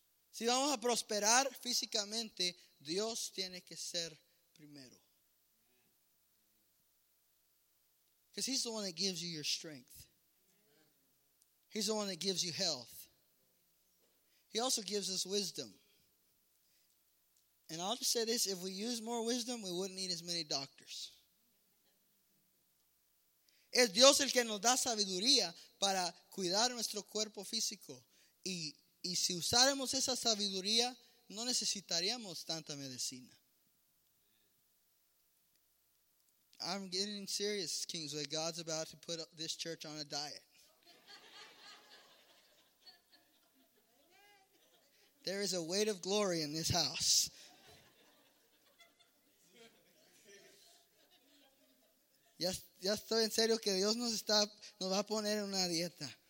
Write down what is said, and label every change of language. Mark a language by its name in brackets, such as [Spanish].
[Spanish] Si vamos a prosperar físicamente, Dios tiene que ser primero. [English] Because he's the one that gives you your strength. He's the one that gives you health. He also gives us wisdom. And I'll just say this, if we use more wisdom, we wouldn't need as many doctors. [Spanish] Es Dios el que nos da sabiduría para cuidar nuestro cuerpo físico y si usáramos esa sabiduría, no necesitaríamos tanta medicina. [English] I'm getting serious, Kingsway. God's about to put this church on a diet. There is a weight of glory in this house. [Spanish] Ya estoy en serio que Dios nos va a poner en una dieta.